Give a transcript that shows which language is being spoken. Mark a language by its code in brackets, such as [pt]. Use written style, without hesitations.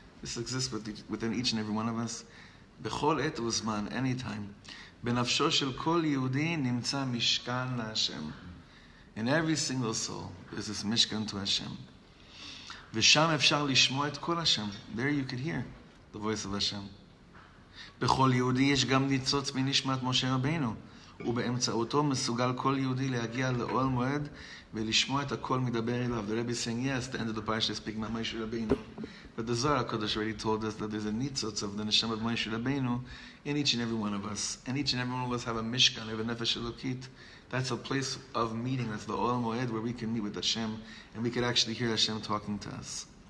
[en] This exists within each and every one of us. [he] בכל עת וזמן, [en] anytime, [he] בנפשו של כל יהודי נמצא משכן להשם. [en] In every single soul, there's this משכן to Hashem. [he] ושם אפשר לשמוע את כל השם. [en] There you could hear the voice of Hashem. [he] בכל יהודי יש גם ניצוץ מנשמת משה רבינו, ובאמצעותו מסוגל כל יהודי להגיע לאוהל מועד ולשמוע את הכל מדבר אליו. [en] The Rebbe is saying, yes, the end of the parasha is speaking about Moshe Rabbeinu. But the Zohar HaKadosh already told us that there's a nitzotz of the neshama of Moshe Rabbeinu in each and every one of us. And each and every one of us have a mishkan, have a nefesh elokit. That's a place of meeting, that's the oel moed, where we can meet with Hashem, and we can actually hear Hashem talking to us.